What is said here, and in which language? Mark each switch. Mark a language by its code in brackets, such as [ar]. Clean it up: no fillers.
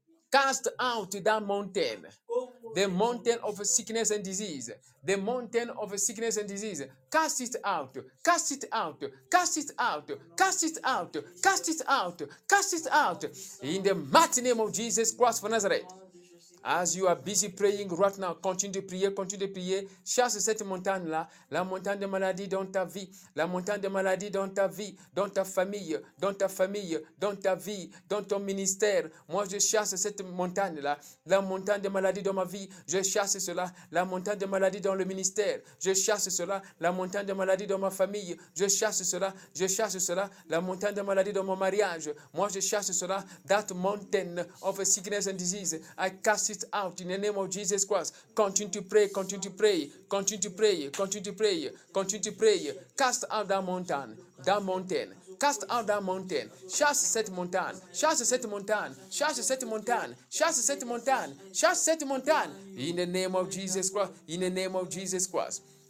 [en] Cast out that mountain, the mountain of sickness and disease, the mountain of sickness and disease, cast it out, cast it out, cast it out, cast it out, cast it out, cast it out, in the mighty name of Jesus Christ of Nazareth. As you are busy praying right now, [fr] continue de prier, chasse cette montagne-là, la montagne de maladie dans ta vie, la montagne de maladie dans ta vie, dans ta famille, dans ta vie, dans ton ministère. Moi, je chasse cette montagne-là, la montagne de maladie dans ma vie, je chasse cela, la montagne de maladie dans le ministère, je chasse cela, la montagne de maladie dans ma famille, je chasse cela, la montagne de maladie dans mon mariage, moi, je chasse cela, [en] that mountain of sickness and disease, I cast it out in the name of Jesus Christ. Continue to pray, continue to pray, continue to pray, continue to pray, continue to pray. Cast out that mountain, cast out that mountain. [fr] Chasse cette montagne, chasse cette montagne, chasse cette montagne, chasse cette montagne, chasse cette montagne. [en] In the name of Jesus Christ, in the name of Jesus Christ.